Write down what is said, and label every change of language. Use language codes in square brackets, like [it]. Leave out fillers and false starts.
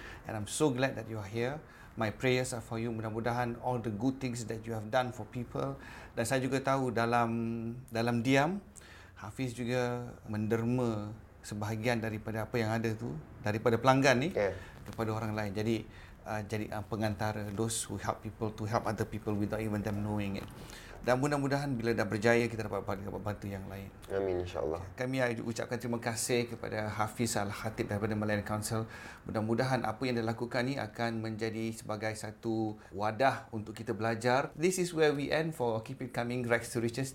[en] And I'm so glad that you are here. My prayers are for you. [ms] Mudah-mudahan [en] all the good things that you have done for people. [ms] Dan saya juga tahu dalam diam, Hafiz juga menderma sebahagian daripada apa yang ada tu, daripada pelanggan ni, kepada orang lain. Jadi, pengantara, [en] those who help people to help other people without even them knowing it. [ms] Dan mudah-mudahan bila dah berjaya, kita dapat bantu yang lain. Amin, insyaAllah. Kami ucapkan terima kasih kepada Hafiz Alkhatib daripada Malayan Council. Mudah-mudahan apa yang dia lakukan ni akan menjadi sebagai satu wadah untuk kita belajar. [en] This is where we end for Keep It Coming, Rags to Riches.